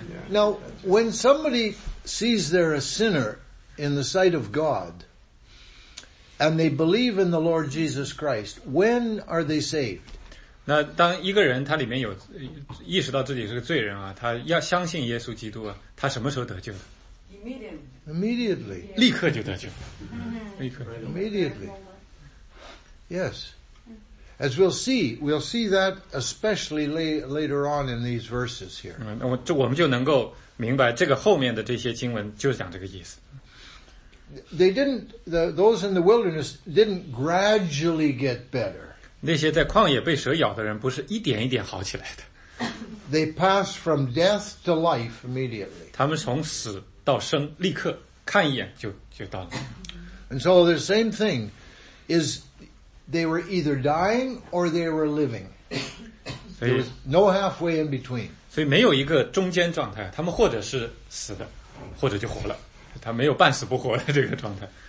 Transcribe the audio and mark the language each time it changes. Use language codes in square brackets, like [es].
[en] Now, when somebody sees they're a sinner in the sight of God, and they believe in the Lord Jesus Christ, when are they saved? [zh] 那当一个人他里面有意识到自己是个罪人啊，他要相信耶稣基督啊，他什么时候得救的？ [en] Immediately. [zh] 立刻就得救。 [en] Immediately. Yes. As we'll see that especially later on in these verses here. [zh] 我们就能够明白这个后面的这些经文就是讲这个意思。 [en] They didn't, those in the wilderness didn't gradually get better. [zh] 那些在旷野被蛇咬的人不是一点一点好起来的。 [en] They passed from death to life immediately. [zh] 他们从死到生立刻看一眼就到了。 [en] And so the same thing is they were either dying or they were living. There was no halfway in between. [zh] 所以没有一个中间状态，他们或者是死的或者就活了。他没有半死不活的这个状态。